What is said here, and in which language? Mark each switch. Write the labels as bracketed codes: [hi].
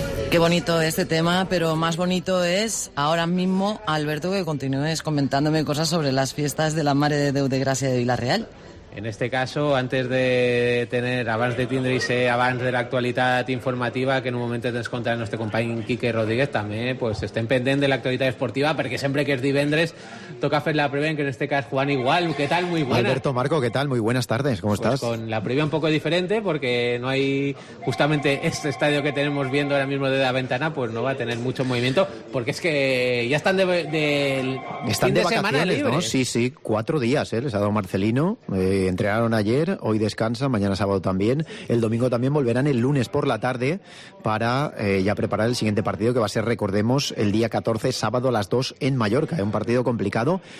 [es] Qué bonito este tema, pero más bonito es ahora mismo, Alberto, que continúes comentándome cosas sobre las fiestas de la Mare de Déu de Gràcia de Villarreal. [ca] En este caso, abans de tindre abans de l'actualitat informativa, que en un moment ens contarà el nostre company Quique Rodríguez, també pues estem pendents de l'actualitat esportiva, perquè sempre que és divendres toca fer la prèvia, que en este cas Juan igual. [es] ¿Qué tal? Muy buena. Alberto, Marco, ¿qué tal? Muy buenas tardes. ¿Cómo estás? Pues con la prèvia un poco diferente, porque no hay justamente este estadio que tenemos viendo ahora mismo de la ventana, pues no va a tener mucho movimiento, porque es que ya están de vacaciones, ¿no? Sí, sí, 4 días, les ha dado Marcelino, entrenaron ayer, hoy descansan, mañana sábado también, el domingo también volverán el lunes por la tarde para ya preparar el siguiente partido, que va a ser, recordemos, el día 14, sábado a las 2 en Mallorca, un partido complicado.